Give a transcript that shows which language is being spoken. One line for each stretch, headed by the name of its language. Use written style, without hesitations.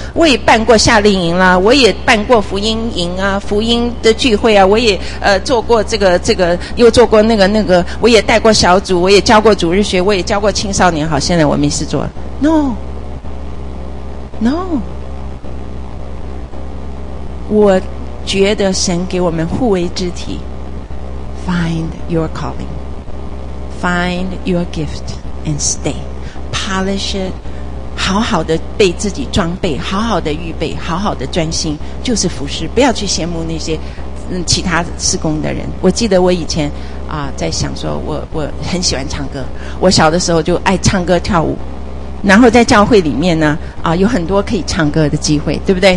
Chinese: 我也办过夏令营啦，我也办过福音营啊，福音的聚会啊，我也做过这个，又做过那个，我也带过小组，我也教过主日学，我也教过青少年，好，现在我没事做了。 No，我觉得神给我们互为肢体。
English: Find your calling, find your gift and stay. Polish it,
Chinese: 好好的被自己装备，好好的预备，好好的专心，就是服侍，不要去羡慕那些其他事工的人。我记得我以前在想说，我很喜欢唱歌，我小的时候就爱唱歌跳舞，然后在教会里面呢有很多可以唱歌的机会，对不对？